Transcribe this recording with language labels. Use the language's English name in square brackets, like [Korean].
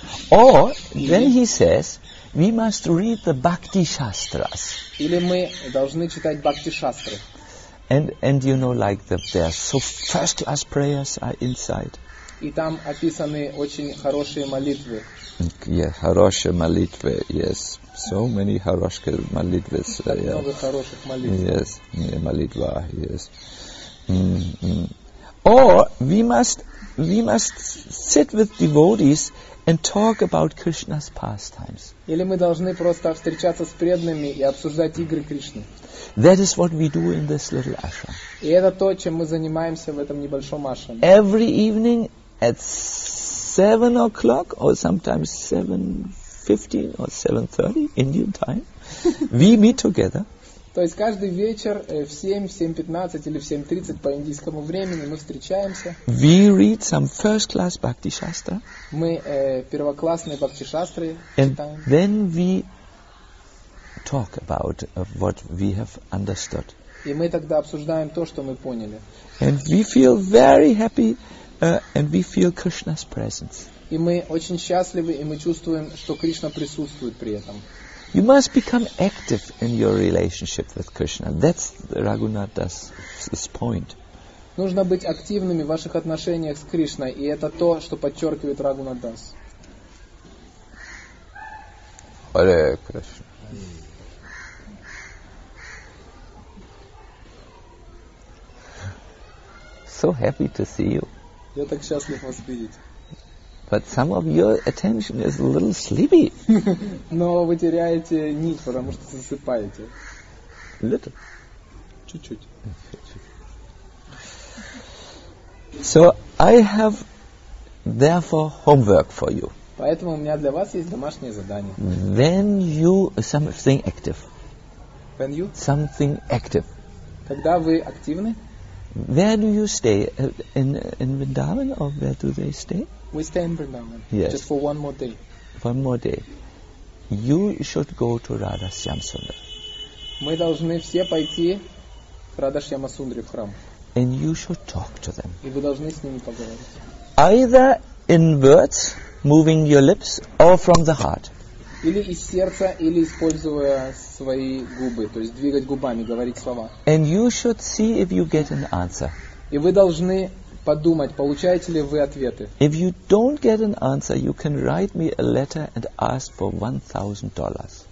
[English] Or then he says we must read the Bhakti Shastras. [Russian] Или мы должны читать Бхакти Шастры. [English] And you know, like they are so first class prayers are inside. [Russian] И там описаны очень хорошие молитвы. [English] Yeah, [Russian] хорошие молитвы, [English] yes. So many [Russian] хорошие молитвы. Так много хороших молитв. [English] Yes, [Russian] молитва, [English] yes. Or we must sit with devotees and talk about Krishna's pastimes. [Russian] Или мы должны просто встречаться с преданными и обсуждать игры Кришны. [English] That is what we do in this little ashram. [Russian] И это то, чем мы занимаемся в этом небольшом ашраме. [English] Every evening at 7 o'clock or sometimes 7:15 or 7:30 Indian time, we meet together. [Russian] То есть каждый вечер в 7, 7:15 или в 7:30 по индийскому времени мы встречаемся. [English] We read some first class Bhakti Shastra. [Russian] Мы первоклассные Бхакти Шастры читаем. [English] Then we talk about what we have understood. [Russian] И мы тогда обсуждаем то, что мы поняли. [English] And we feel very happy and we feel Krishna's presence. [Russian] И мы очень счастливы, и мы чувствуем, что Кришна присутствует при этом. [English] You must become active in your relationship with Krishna. That's Raghunath Das's point. [Russian] Нужно быть активными в ваших отношениях с Кришной, и это то, что подчеркивает Raghunath Das. [English] Hare Krishna. So happy to see you. [Russian] Я так счастлив вас видеть. [English] But some of your attention is a little sleepy. [Russian] Но вы теряете нить, потому что засыпаете. [English] Little. [Russian] Чуть-чуть. [English] So I have therefore homework for you. [Russian] Поэтому у меня для вас есть домашнее задание. [English] When you something active. When you something active. [Russian] Когда вы активны? [English] Where do you stay? In Vrindavan or where do they stay? We stay in Vrindavan. Yes. Just for one more day. One more day. You should go to Radha Shyamasundar. [Russian] Мы должны все пойти к Радха Шьямасундре в храм. [English] And you should talk to them. [Russian] И вы должны с ними поговорить. [English] Either in words, moving your lips, or from the heart. [Russian] Или из сердца, или используя свои губы, то есть двигать губами, говорить слова. [English] And you should see if you get an answer. [Russian] И вы должны подумать, получаете ли вы ответы. [English] If you don't get an answer, you can write me a letter and ask for $1,000.